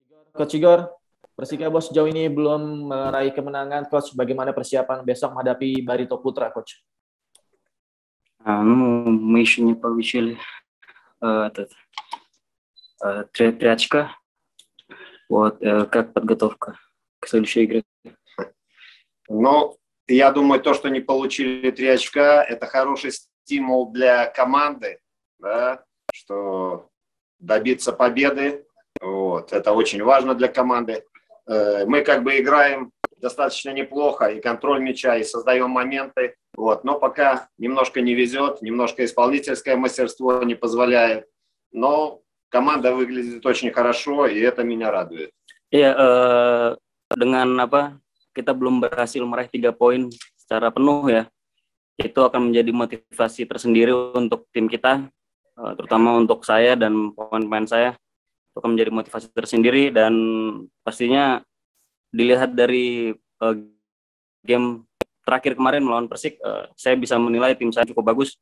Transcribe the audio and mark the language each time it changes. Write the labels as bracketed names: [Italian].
[Indonesian] Coach Igor, Persikabo sejauh ini belum meraih kemenangan. Coach, bagaimana persiapan besok menghadapi Barito Putra, Coach? Misinya pavisil triачка. [Russian] Вот, как подготовка к следующей игре? Ну, я думаю, то, что не получили 3 очка, это хороший стимул для команды, да, что добиться победы. Вот, это очень важно для команды. Мы как бы играем достаточно неплохо, и контроль мяча, и создаем моменты. Вот, но пока немножко не везет, немножко исполнительское мастерство не позволяет. Но команда выглядит очень хорошо, и это меня радует. [Indonesian] Ya, dengan apa kita belum berhasil meraih 3 poin secara penuh ya, itu akan menjadi motivasi tersendiri untuk tim kita, terutama untuk saya dan pemain-pemain saya. Itu akan menjadi motivasi tersendiri dan pastinya dilihat dari game terakhir kemarin melawan Persik, saya bisa menilai tim saya cukup bagus.